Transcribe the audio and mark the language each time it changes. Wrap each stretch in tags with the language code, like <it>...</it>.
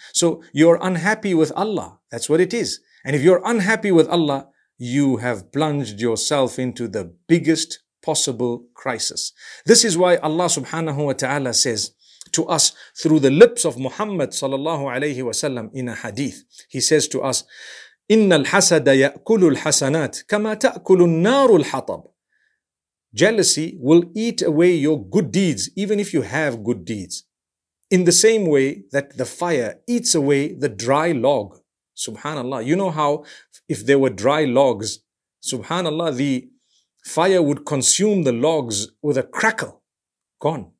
<en>So you're unhappy with Allah. That's what it is. And if you're unhappy with Allah, you have plunged yourself into the biggest possible crisis. This is why Allah subhanahu wa ta'ala says to us through the lips of Muhammad sallallahu alayhi wa sallam in a hadith. He says to us,</en> <ar>إِنَّ الْحَسَدَ يَأْكُلُ الْحَسَنَاتِ كَمَا تَأْكُلُ النَّارُ الْحَطَبِ.</ar> <en>Jealousy will eat away your good deeds, even if you have good deeds, in the same way that the fire eats away the dry log. Subhanallah. You know how if there were dry logs, subhanallah, the fire would consume the logs with a crackle. Gone.</en>